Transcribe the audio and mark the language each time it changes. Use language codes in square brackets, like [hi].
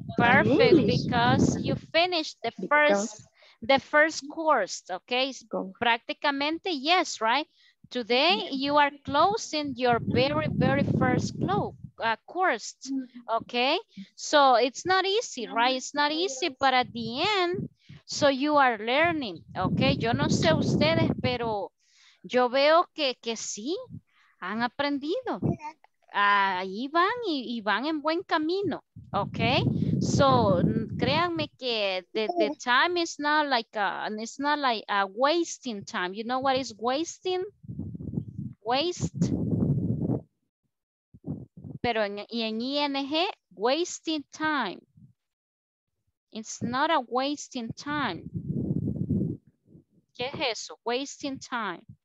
[en] Perfect, because you finished the first course, okay? Practically, yes, right? Today, you are closing your very, very first course, okay? So it's not easy, right? It's not easy, but at the end, so you are learning, okay? [es] Yo no sé ustedes, pero yo veo que sí, han aprendido. Ahí van y van en buen camino, okay? [en] So, [es] créanme que [en] the time is not like a wasting time. You know what is wasting? Waste. [es] Pero en ING, [en] wasting time. It's not a wasting time. [es] ¿Qué es eso? [en] Wasting time.